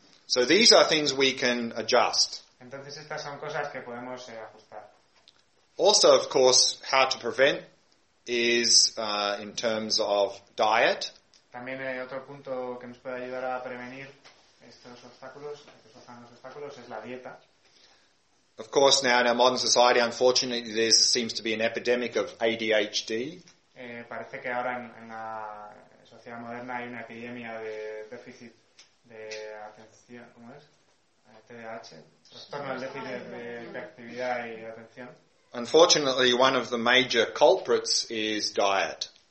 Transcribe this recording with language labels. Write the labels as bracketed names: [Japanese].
[English] So these are things we can adjust. [Spanish] Entonces estas son cosas que podemos ajustar. [English] Also, of course, how to prevent is in terms of diet. [Spanish] También otro punto que nos puede ayudar a prevenir estos obstáculos, estos sanos obstáculos, es la dieta. [English] Of course, now in our modern society, unfortunately, there seems to be an epidemic of ADHD. [Spanish] Parece que ahora en la sociedad moderna hay una epidemia de déficit de atención, ¿cómo es? TDAH, trastorno del déficit de actividad y atención. [English] Unfortunately, one of the major culprits is diet.